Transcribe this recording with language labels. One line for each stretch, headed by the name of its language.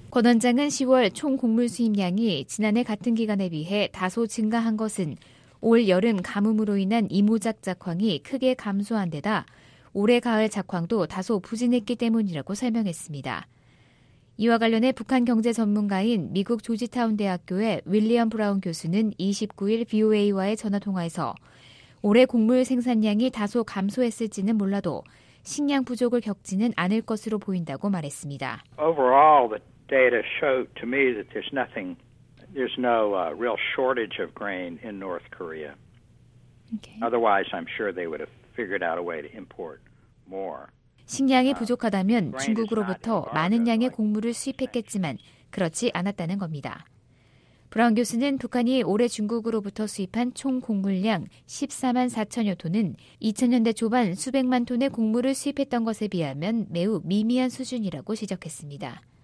Korean: 권 원장은 10월 총 곡물 수입량이 지난해 같은 기간에 비해 다소 증가한 것은 올 여름 가뭄으로 인한 이모작 작황이 크게 감소한 데다 올해 가을 작황도 다소 부진했기 때문이라고 설명했습니다. 이와 관련해 북한 경제 전문가인 미국 조지타운 대학교의 윌리엄 브라운 교수는 29일 VOA와의 전화통화에서 올해 곡물 생산량이 다소 감소했을지는 몰라도 식량 부족을 겪지는 않을 것으로 보인다고 말했습니다.
English: Overall, the data showed to me that there's nothing, there's no real shortage of grain in North Korea. Okay. Otherwise, I'm sure they would have figured out a way to import more.
Korean: 식량이 부족하다면 중국으로부터 많은 양의 곡물을 수입했겠지만 그렇지 않았다는 겁니다. 브라운 교수는 북한이 올해 중국으로부터 수입한 총 곡물량 14만 4천여 톤은 2000년대 초반 수백만 톤의 곡물을 수입했던 것에 비하면 매우 미미한 수준이라고 지적했습니다.